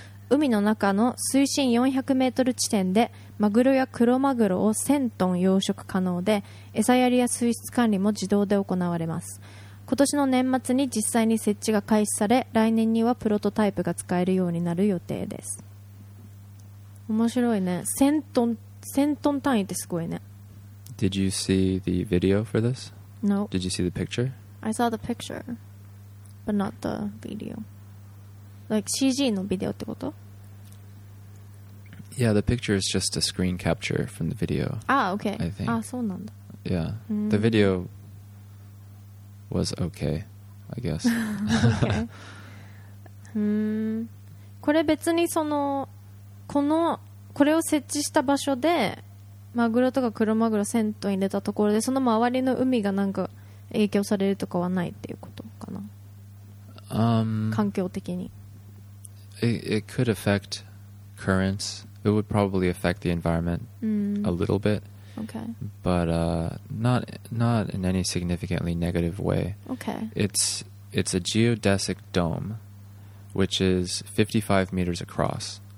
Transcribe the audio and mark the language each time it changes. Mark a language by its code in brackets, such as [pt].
[ja] 海の中の水深400メートル地点でマグロやクロマグロを1000トン養殖可能で、餌やりや水質管理も自動で行われます。今年の年末に実際に設置が開始され、来年にはプロトタイプが使えるようになる予定です。面白いね。 1000トン単位ってすごいね。 [en] Did you see the video for this? No. Did you see the picture? I saw the picture, but not the video. [ja] Like CG のビデオってこと? [en] Yeah, the picture is just a screen capture from the video. Ah, okay. I think. [ja] Ah, そうなんだ。 [en] Yeah. The video was okay, I guess. okay. [ja] これ別にその、この、これを設置した場所でマグロとかクロマグロ銭湯に入れたところでその周りの海がなんか影響されるとかはないっていうことかな、環境的に [en] it could affect currents. It would probably affect the environment、a little bit、 okay. But、not in any significantly negative way、 okay. It's a geodesic dome which is 55 meters across、